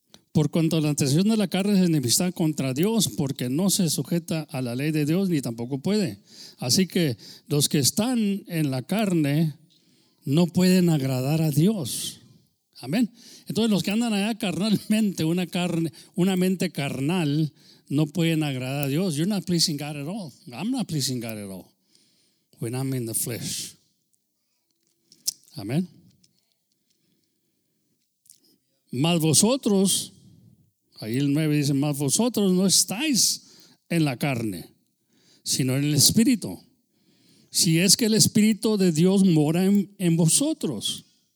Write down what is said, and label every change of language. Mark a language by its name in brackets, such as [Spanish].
[Spanish] Por cuanto la atención de la carne es enemistad contra Dios, porque no se sujeta a la ley de Dios, ni tampoco puede. Así que los que están en la carne no pueden agradar a Dios. Amén. Entonces los que andan allá carnalmente, una carne, una mente carnal, no pueden agradar a Dios. [English] You're not pleasing God at all. I'm not pleasing God at all when I'm in the flesh. [Spanish] Amén. Mas vosotros, ahí el 9 dice, mas vosotros no estáis en la carne, sino en el Espíritu. Si es que el Espíritu de Dios mora en vosotros.